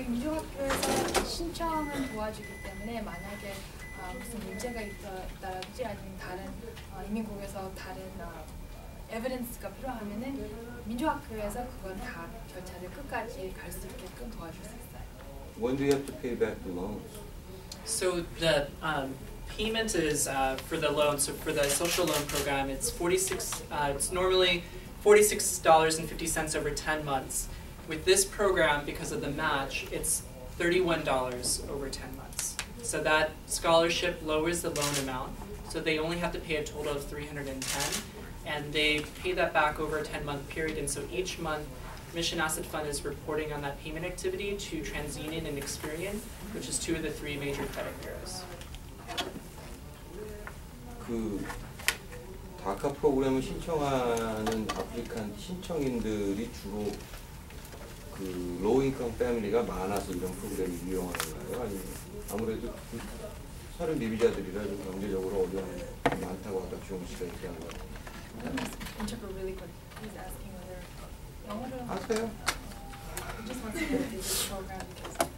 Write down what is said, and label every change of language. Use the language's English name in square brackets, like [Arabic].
[Korean] 민족학교에서 신청은 도와주기 때문에 만약에 무슨 문제가 있다든지 아니면 다른 이민국에서 다른 evidence가 필요하면은 민족학교에서 그건 다 절차를 끝까지 갈 수 있게끔 도와줄 수 있어요. [English] When do you have to pay back the loans? So the payment is for the loan. So for the social loan program, it's 46. It's normally $46.50 over 10 months. With this program, because of the match, it's $31 over 10 months. So that scholarship lowers the loan amount, so they only have to pay a total of $310, and they pay that back over a 10-month period, and so each month, Mission Asset Fund is reporting on that payment activity to TransUnion and Experian, which is two of the three major credit bureaus. Cool. [Korean] 다카 프로그램을 신청하는 아프리칸 신청인들이 주로 그 로우인컴 패밀리가 많아서 이런 프로그램을 이용하는가요? 아니면 아무래도 서른 비비자들이라 좀 경제적으로 어려움이 많다고 하다 주영 씨가 얘기한 거예요. [English] Interpret really quick. He's asking whether [Korean] 영어로 하세요. [English] Just want to know if this program because